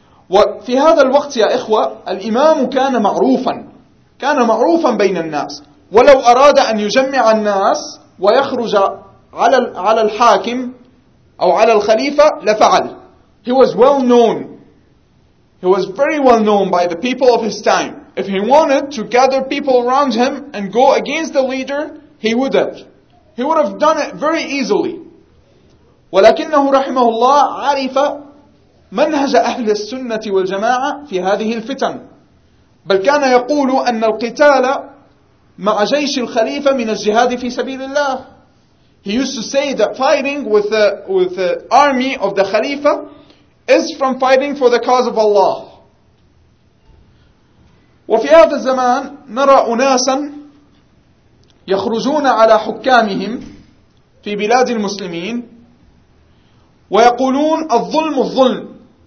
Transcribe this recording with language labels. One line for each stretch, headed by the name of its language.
Arabic: وفي هذا الوقت يا إخوة الإمام كان معروفا. كان معروفا بين الناس. ولو أراد أن يجمع الناس ويخرج على الحاكم أو على الخليفة لفعل.
English: He was well known. He was very well known by the people of his time. If he wanted to gather people around him and go against the leader, he would have. He would have done it very easily.
Arabic: ولكنه رحمه الله عرف منهج أهل السنة والجماعة في هذه الفتن. بل كان يقول أن القتال مع جيش الخليفة من الجهاد في سبيل الله.
English: He used to say that fighting with the army of the Khalifa is from fighting for the cause of Allah.
Arabic: وفي هذا الزمان نرى أناسا يخرجون على حكامهم في بلاد المسلمين ويقولون الظلم الظلم.